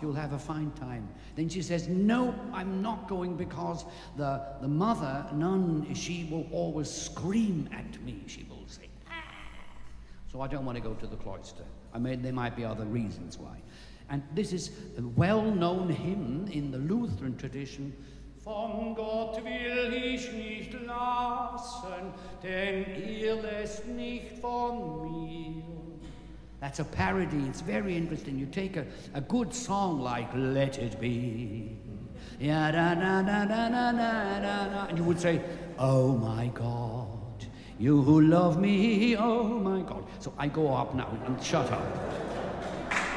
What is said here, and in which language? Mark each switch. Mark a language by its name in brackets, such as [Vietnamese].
[English] You'll have a fine time. Then she says, no, I'm not going because the mother, nun, she will always scream at me. She will say, so I don't want to go to the cloister. I mean, there might be other reasons why. And this is a well-known hymn in the Lutheran tradition. [German] Von Gott will ich nicht lassen, denn lässt nicht von mir. [English] That's a parody. It's very interesting. You take a good song like Let It Be. Yeah, da, na, na, na, na, na, na, na. And you would say, oh my God, you who love me, oh my God. So I go up now and shut up.